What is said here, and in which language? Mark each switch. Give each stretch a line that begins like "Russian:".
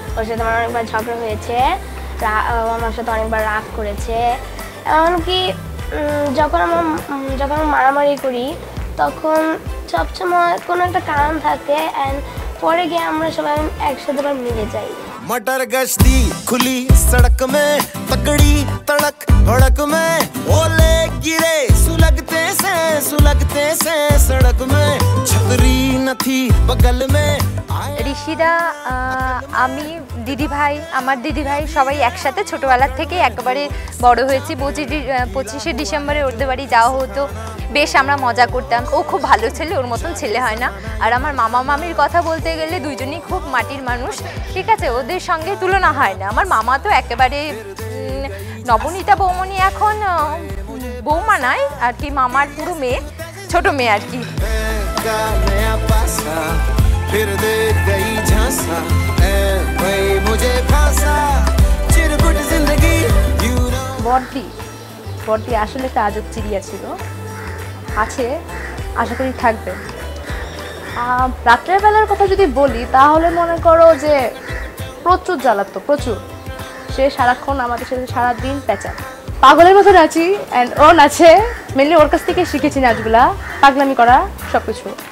Bangla: ওর সাথে আমার অনেকবার ঝগড়া হয়েছে, আমার সাথে অনেকবার রাগ করেছে, এমনকি যখন আমি মারামারি করি তখন সবসময় কোনো একটা কারণ থাকে অ্যান্ড পরে গিয়ে আমরা সবাই একসাথে আবার মিলে যাই।
Hindi: मटर गश्ती खुली सड़क में तकड़ी तड़क भड़क में ओले गिरे सुलगते से सड़क में छतरी न थी बगल में
Bangla: ঋষিদা আমি দিদি ভাই সবাই একসাথে ছোটবেলার থেকে একবারে বড় হয়েছি। 25শে ডিসেম্বরে ওদের বাড়ি যাওয়া হতো, বেশ আমরা মজা করতাম। ও খুব ভালো ছেলে, ওর মতন ছেলে হয় না। আর আমার মামা মামির কথা বলতে গেলে দুইজনই খুব মাটির মানুষ, ঠিক আছে, ওদের সঙ্গে তুলনা হয় না। আমার মামা তো একেবারে নবনীতা বৌমণি, এখন বৌমা নয় আর কি, মামার পুরো মেয়ে, ছোট মেয়ে আর কি।
Hindi: फिर दे गई झांसा ए भाई मुझे फांसा चिरपुट जिंदगी
English: you know
Bangla: বড়দি আসলে একটা আজব চিড়িয়া ছিল, আছে, আশা করি থাকবে। রাত্রের বেলার কথা যদি বলি তাহলে মনে করো যে প্রচুর জ্বালাতো, প্রচুর। সে সারাক্ষণ আমাদের সাথে সারাদিন পেঁচা পাগলের মতো নাচি অ্যান্ড ও নাচে, মেনলি ওর কাছ থেকে শিখেছি নাচগুলা, পাগলামি করা সবকিছু।